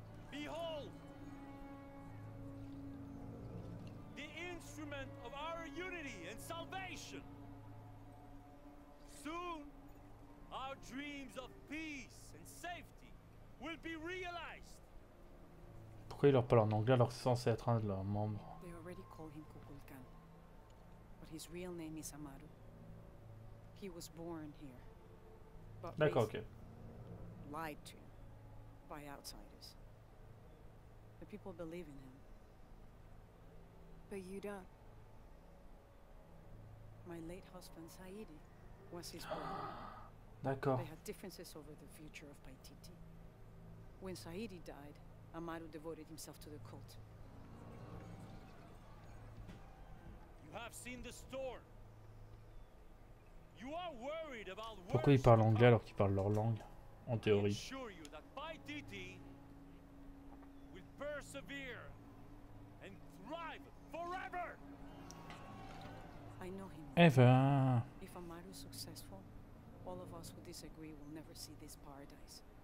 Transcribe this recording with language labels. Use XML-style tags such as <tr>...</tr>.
<en>Behold, the instrument of our unity and salvation. Soon. Our dreams of peace and safety will be realized.</en> <fr>Pourquoi il leur parle en anglais alors que c'est censé être un de leurs membres?</fr> <en>They already call him Kukulkan, but his real name is Amaru. He was born here, but</en> <fr>d'accord, okay.</fr> <en>Lied to by outsiders. The people believe in him, but you don't. My late husband Saidi was his brother.</en> <fr>D'accord.</fr> <en>They had differences over the future of Paititi. When Saidi died, Amaru devoted himself to the cult. You have seen the storm. You are worried about.</en> <fr>Pourquoi ils parlent anglais alors qu'ils parlent leur langue, en théorie?</fr> <en>I assure you that Paititi will persevere and thrive forever. I know him. Ever. If Amaru is successful. All of us who disagree will never see this paradise.</en>